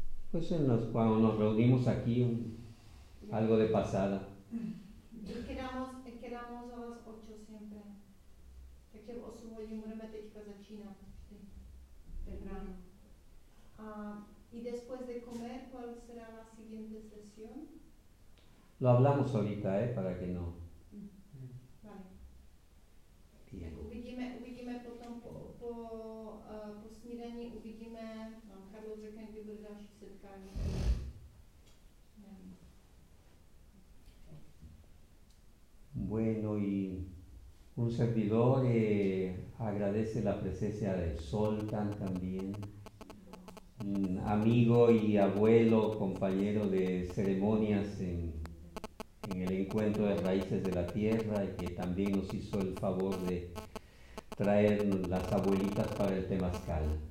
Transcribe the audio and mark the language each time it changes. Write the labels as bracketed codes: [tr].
[es] Pues en los cuando nos reunimos aquí algo de pasada. Y quedamos a las 8 siempre. [cs] Takže v 8 hodin budeme teďka začínat vždy, ten ráno. [es] Y después de comer, ¿cuál será la siguiente sesión? Lo hablamos ahorita, para que no. Vale. [cs] Tak uvidíme potom po snídani, uvidíme, no, Karlo řekne, kdy bude další setkání. [es] Bueno, y un servidor agradece la presencia de Soltán también. Amigo y abuelo, compañero de ceremonias en el encuentro de raíces de la tierra, y que también nos hizo el favor de traer las abuelitas para el temazcal.